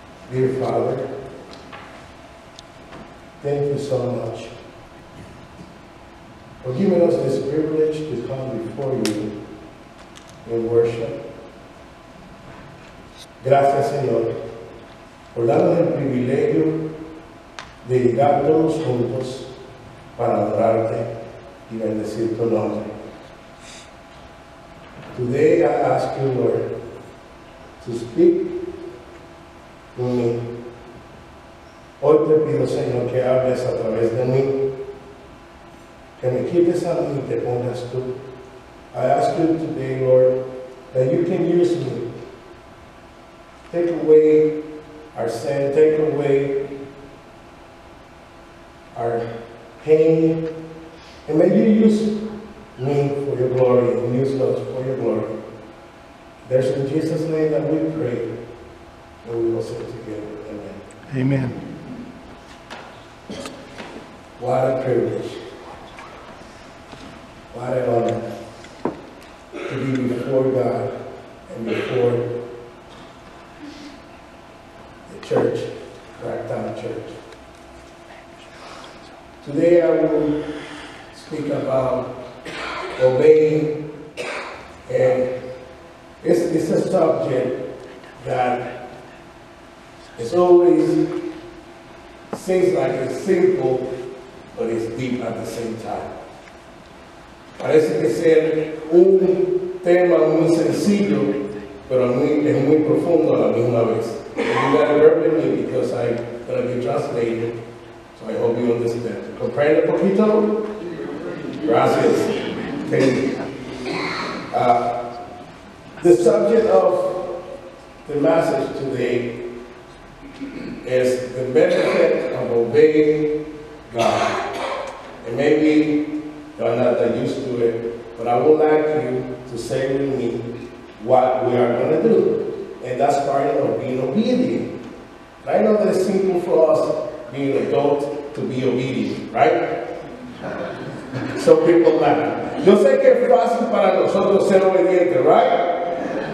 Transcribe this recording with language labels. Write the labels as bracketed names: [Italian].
[English] Dear Father, thank you so much for giving us this privilege to come before you in worship. [Spanish] Gracias, Señor, por darnos el privilegio de llegarnos juntos para adorarte y bendecir tu nombre. [English] Today I ask you, Lord, to speak to me. [Spanish] Hoy te pido, Señor, que hables a través de mí. Que me quites a mí y te pongas tú. [English] I ask you today, Lord, that you can use me. Take away our sin, take away our pain, and may you use me for your glory and use us for your glory. There's in Jesus' name that we pray and we will sing together. Amen. Amen. What a privilege. What an honor to be before God and before Church, Braggtown Church. Today I will speak about obeying, and it's a subject that is always seems like it's simple, but it's deep at the same time. [Spanish] Parece que ser un tema muy sencillo, pero es muy profundo a la misma vez. [English] You gotta bear with me because I'm gonna be translating, so I hope you understand. [Spanish] Comprende un poquito? Gracias. [English] Thank you. The subject of the message today is the benefit of obeying God. And maybe you're not that used to it, but I would like you to say with me what we are gonna do. And that's part of being obedient. And I know that it's simple for us, being adult, to be obedient, right? Some people laugh. [Spanish] Yo sé que es fácil para nosotros ser obedientes, right?